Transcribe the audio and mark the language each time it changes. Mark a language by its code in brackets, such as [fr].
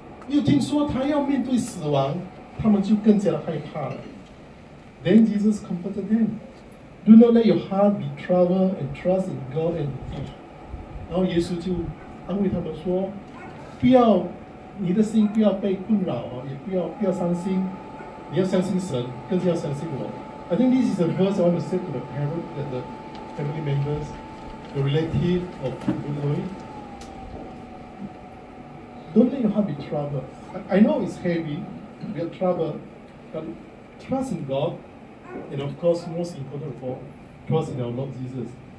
[zh] 我相信这对当时的门徒是非常非常挑战的。他们听说，哎呀，耶稣要离开了，他们已经很紧张了，又听说他要面对死亡。 [en] Then Jesus comforted them. Do not let your heart be troubled and trust in God and faith. [zh] 然后耶稣就安慰他们说，不要你的心不要被困扰啊，也不要伤心，你要相信神，更是要相信我. [en] I think this is a verse I want to say to the parents and the family members, the relative of Sew Boon Lui. Don't let your heart be troubled. I know it's heavy. We have trouble, but trust in God, and of course, most important of all, trust in our Lord Jesus.